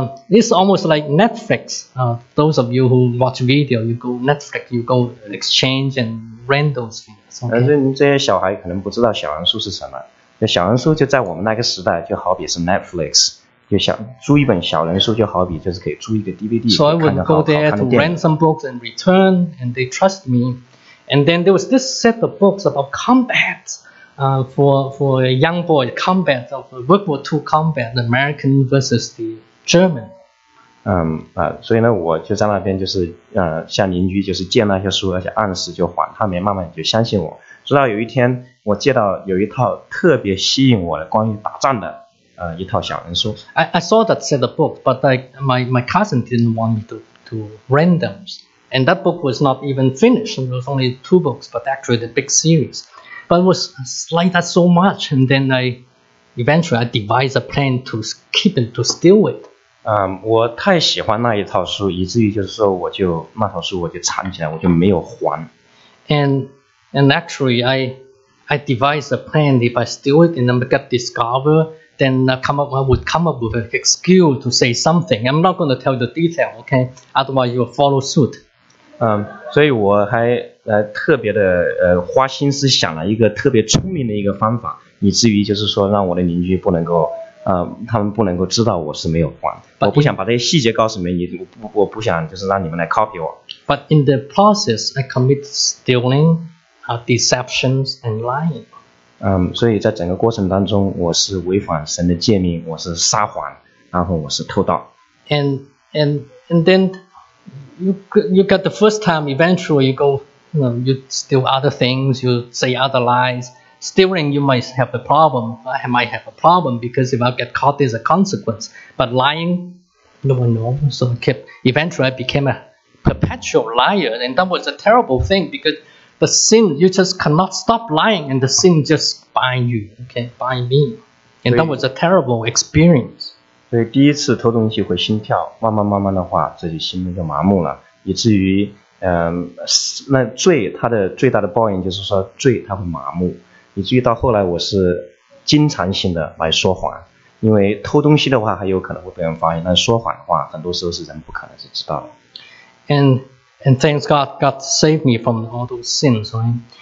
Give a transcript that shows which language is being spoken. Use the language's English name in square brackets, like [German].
[English] This is almost like Netflix. Those of you who watch video, you go Netflix, you go exchange and rent those things. [Chinese] 但是这些小孩可能不知道小人书是什么。小人书就在我们那个时代就好比是 Netflix， 就想租一本小人书就好比就是可以租一个 DVD，所以我 [English] would go there to rent some books and return, and they trust me. And then there was this set of books about combat, for a young boy, combat of World War II combat, the American versus the German. [Chinese] 所以呢我就在那边就是向邻居就是借那些书，而且按时就还，他们慢慢就相信我。直到有一天我借到有一套特别吸引我的关于打仗的一套小人书。 [English] I saw that set of books, but my cousin didn't want me to rent them. And that book was not even finished. It was only two books, but actually the big series. But it was like that so much. And then I eventually devised a plan to keep it, to steal it. [Chinese] 我太喜欢那一套书，以至于就是说我就那套书我就藏起来，我就没有还。 [English] And actually, I devised a plan. If I steal it and then get discovered, then I would come up with an excuse to say something. I'm not going to tell the detail, okay? Otherwise, you will follow suit. [Chinese] 所以我还特别的花心思想了一个特别聪明的一个方法，以至于就是说让我的邻居不能够他们不能够知道我是没有还。我不想把这些细节告诉你们，我不想就是让你们来 copy 我。 [English] But in the process, I commit stealing. Deceptions and lying. [Chinese] 所以在整个过程当中，我是违反神的诫命，我是撒谎，然后我是偷盗。 [English] And then you got the first time. Eventually, you go, you steal other things, you say other lies. Stealing, you might have a problem. I might have a problem because if I get caught, there's a consequence. But lying, no one knows. So eventually, I became a perpetual liar, and that was a terrible thing because. The sin, you just cannot stop lying, and the sin just bind you, okay, bind me. And that was a terrible experience. [Chinese] 所以第一次偷东西会心跳，慢慢慢慢的话，自己心里就麻木了，以至于，那罪它的最大的报应就是说罪它会麻木，以至于到后来我是经常性的来说谎，因为偷东西的话还有可能会被人发现，但说谎的话很多时候是人不可能是知道的。 [English] And thanks God, God saved me from all those sins, right?